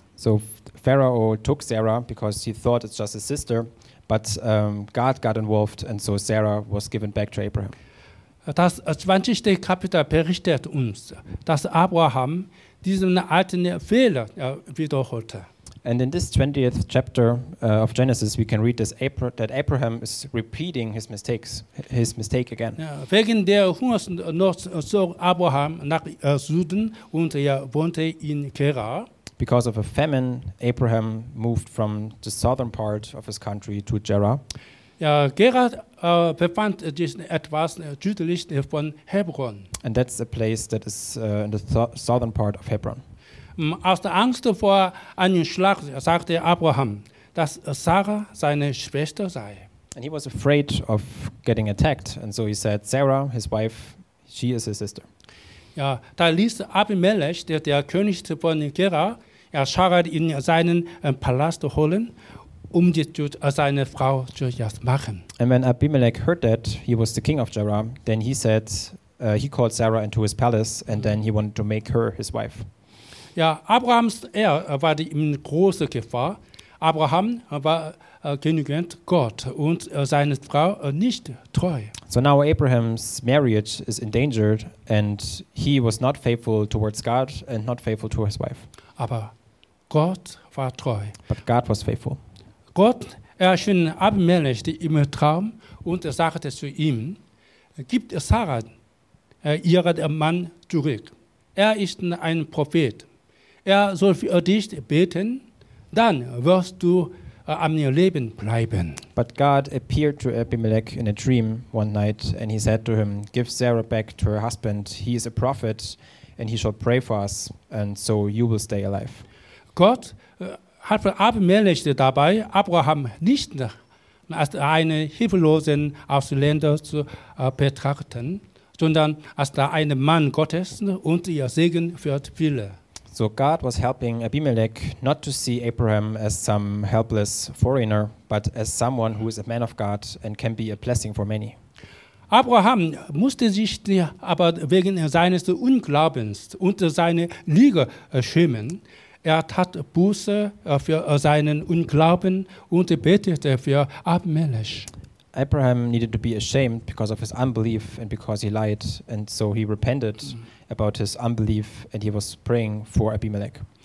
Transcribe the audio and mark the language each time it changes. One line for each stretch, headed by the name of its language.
English: So Pharaoh took Sarah because he thought it's just his sister, but God got involved and so Sarah was given back to Abraham.
German: Das 20. Kapitel berichtet uns, dass Abraham diesen alten Fehler wiederholte.
English: And in this 20th chapter of Genesis, we can read this that Abraham is repeating his mistake again.
German: Ja, wegen der Hungersnot zog Abraham nach Süden und wohnte in Gerar.
English: Because of a famine, Abraham moved from the southern part of his country to Gerar.
German: Ja, Gerar befand sich etwas südlich von Hebron.
English: And that's a place that is in the southern part of Hebron.
German: Aus der Angst vor einem Schlag sagte Abraham, dass Sarah seine Schwester sei.
English: And he was afraid of getting attacked, and so he said, Sarah, his wife, she is his sister.
German: Ja, da ließ Abimelech, der König von Gerar, Sarah in seinen Palast holen, um seine Frau zu machen.
English: And when Abimelech heard that he was the king of Gerar, then he said, he called Sarah into his palace, and then he wanted to make her his wife.
German: Ja, Abrahams Ehe war in großer Gefahr. Abraham war genügend Gott und seine Frau nicht treu.
English: So now Abraham's marriage is endangered and he was not faithful towards God and not faithful to his wife.
German: Aber Gott war treu.
English: But God was faithful.
German: Gott erschien Abimelech im Traum und sagte zu ihm, gib Sarah ihren Mann zurück. Er ist ein Prophet. Er soll für dich beten, dann wirst du am Leben bleiben.
English: But God appeared to Abimelech in a dream one night and he said to him, give Sarah back to her husband, he is a prophet and he shall pray for us and so you will stay alive.
German: Gott hat für Abimelech dabei, Abraham nicht als einen hilflosen Ausländer zu betrachten, sondern als einen Mann Gottes und ihr Segen für viele.
English: So God was helping Abimelech not to see Abraham as some helpless foreigner, but as someone who is a man of God and can be a blessing for many.
German: Abraham musste sich aber wegen seines Unglaubens und seiner Lüge schämen. Er tat Buße für seinen Unglauben und betete für Abimelech.
English: Abraham needed to be ashamed because of his unbelief and because he lied, and so he repented about his unbelief and he was praying for Abimelech.